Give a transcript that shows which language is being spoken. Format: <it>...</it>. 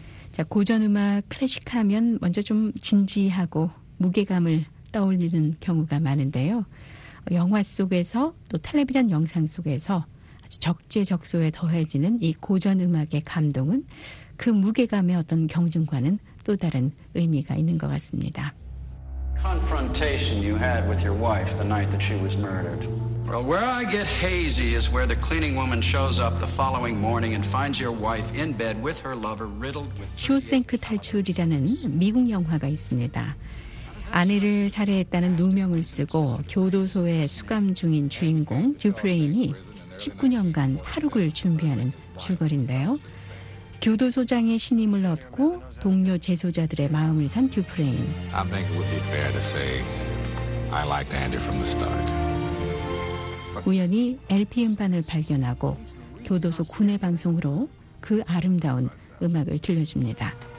<ko>자, 고전음악 클래식하면 먼저 좀 진지하고 무게감을 떠올리는 경우가 많은데요. 영화 속에서 또 텔레비전 영상 속에서 적재적소에 더해지는 이 고전음악의 감동은 그 무게감의 어떤 경중과는 또 다른 의미가 있는 것 같습니다.</ko> <en>Confrontation you had with your wife the night that she was murdered. Well, where I get hazy is where the cleaning woman shows up the following morning and finds your wife in bed with her lover riddled with...</en> <ko>쇼생크 탈출이라는 미국 영화가 있습니다. 아내를 살해했다는 누명을 쓰고 교도소에 수감 중인 주인공 듀프레인이 19년간 탈옥을 준비하는 줄거리인데요. 교도소장의 신임을 얻고 동료 재소자들의 마음을 산 듀프레인.</ko> <en>I think it would be fair to say I liked Andy from the start.</en> <ko>우연히 LP 음반을 발견하고 교도소 군내 방송으로 그 아름다운 음악을 들려줍니다.</ko>